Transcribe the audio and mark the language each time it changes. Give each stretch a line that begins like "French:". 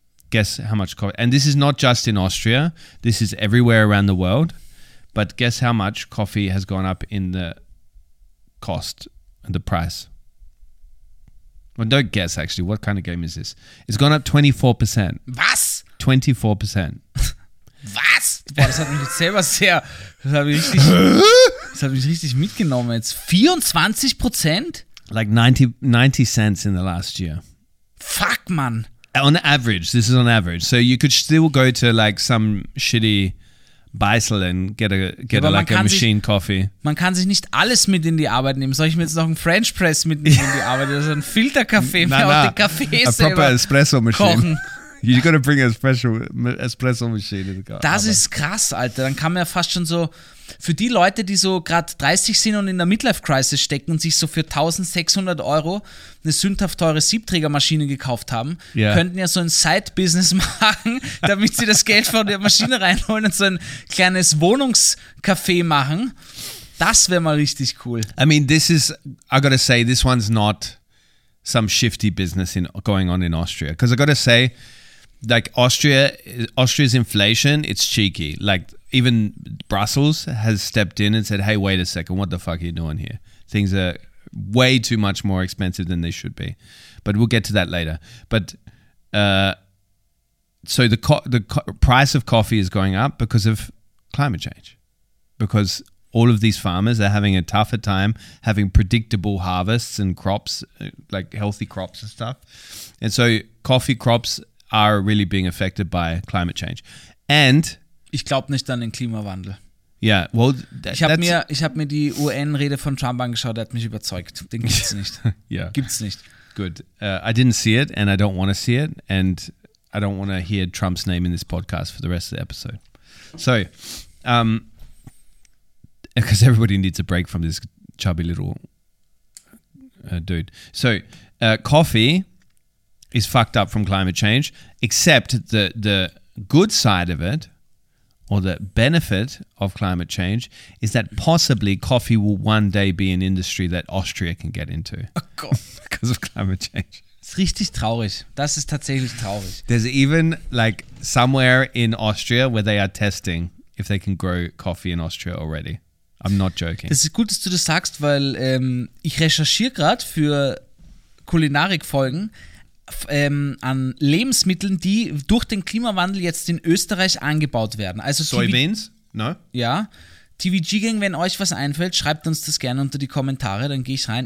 English: Guess how much coffee, and this is not just in Austria, this is everywhere around the world, but guess how much coffee has gone up in the cost and the price? Well, don't guess actually, what kind of game is this? It's gone up 24%.
German: Was?
English: 24%.
German: Was? Boah, das hat mich jetzt selber sehr, das hat mich richtig mitgenommen jetzt. 24%?
English: Like 90 cents in the last year. Fuck, man. On average, this is on average. So you could still go to like some shitty Beisel and get a like a machine coffee.
German: Man kann sich nicht alles mit in die Arbeit nehmen. Soll ich mir jetzt noch einen French Press mit in die Arbeit oder so einen Filterkaffee für den Kaffee selber?
English: A proper espresso machine. You gotta bring an espresso machine in the car.
German: Das ist krass, Alter. Dann kann man ja fast schon so, für die Leute, die so gerade 30 sind und in der Midlife-Crisis stecken und sich so für 1.600 € eine sündhaft teure Siebträgermaschine gekauft haben, yeah, könnten ja so ein Side-Business machen, damit sie das Geld von der Maschine reinholen und so ein kleines Wohnungscafé machen. Das wäre mal richtig cool.
English: I mean, I gotta say, this one's not some shifty business going on in Austria. Because I gotta say, like Austria's inflation, it's cheeky. Like even Brussels has stepped in and said, hey, wait a second, what the fuck are you doing here? Things are way too much more expensive than they should be. But we'll get to that later. But so the price of coffee is going up because of climate change. Because all of these farmers are having a tougher time having predictable harvests and crops, like healthy crops and stuff. And so coffee crops are really being affected by climate change. And
German: ich glaube nicht an den Klimawandel.
English: Yeah, well,
German: ich habe mir die UN-Rede von Trump angeschaut, der hat mich überzeugt. Den gibt's nicht.
English: Yeah.
German: Gibt's nicht.
English: Good. I didn't see it and I don't want to see it and I don't want to hear Trump's name in this podcast for the rest of the episode. So, because everybody needs a break from this chubby little dude. So, coffee is fucked up from climate change, except the good side of it, or the benefit of climate change, is that possibly coffee will one day be an industry that Austria can get into. Oh God. Because of climate change.
German: Das ist richtig traurig. Das ist tatsächlich traurig.
English: There's even like somewhere in Austria where they are testing if they can grow coffee in Austria already. I'm not joking.
German: Das ist gut, dass du das sagst, weil ich recherchiere gerade für Kulinarik-Folgen an Lebensmitteln, die durch den Klimawandel jetzt in Österreich angebaut werden. Also
English: Soybeans? No?
German: Ja. TVG-Gang, wenn euch was einfällt, schreibt uns das gerne unter die Kommentare, dann gehe ich rein.